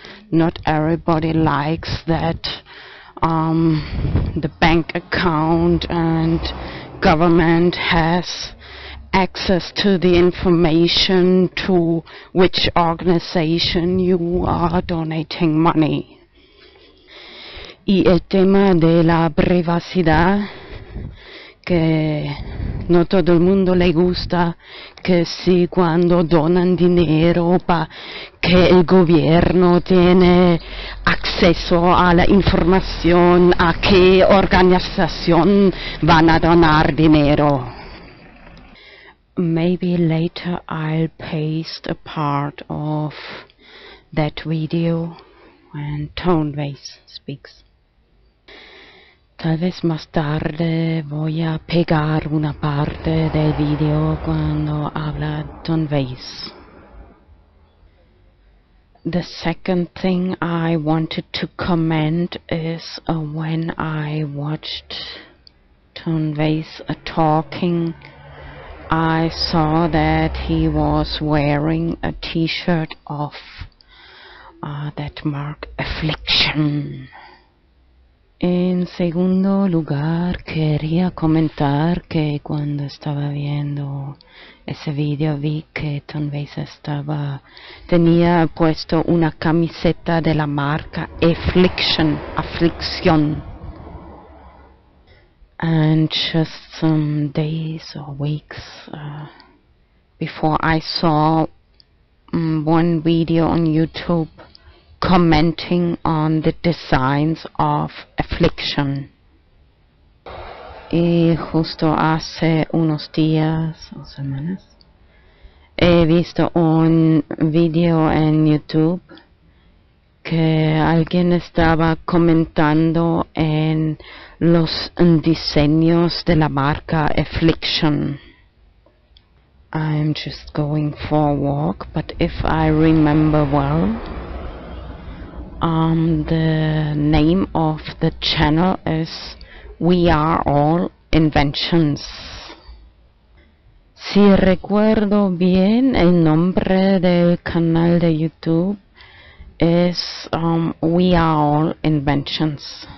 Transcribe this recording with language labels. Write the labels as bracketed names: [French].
[English] Not everybody likes that the bank account and government has access to the information to which organization you are donating money. [Spanish] Y el tema de la privacidad, que no todo el mundo le gusta, que si cuando donan dinero pa que el gobierno tiene acceso a la información a qué organización van a donar dinero. [English] Maybe later I'll paste a part of that video when Tonebase speaks. [Spanish] Tal vez más tarde voy a pegar una parte del video cuando habla Tonebase. [English] The second thing I wanted to comment is when I watched Tonebase talking, I saw that he was wearing a t-shirt of that mark Affliction. [Spanish] En segundo lugar, quería comentar que cuando estaba viendo ese video vi que Tonebase tenía puesto una camiseta de la marca Affliction, Affliction. [English] And just some days or weeks before I saw one video on YouTube commenting on the designs of Affliction. [Spanish] Y justo hace unos días o semanas he visto un video en YouTube que alguien estaba comentando en los diseños de la marca Affliction. [English] I'm just going for a walk, but if I remember well, the name of the channel is We Are All Inventions. [Spanish] Si recuerdo bien, el nombre del canal de YouTube es We Are All Inventions.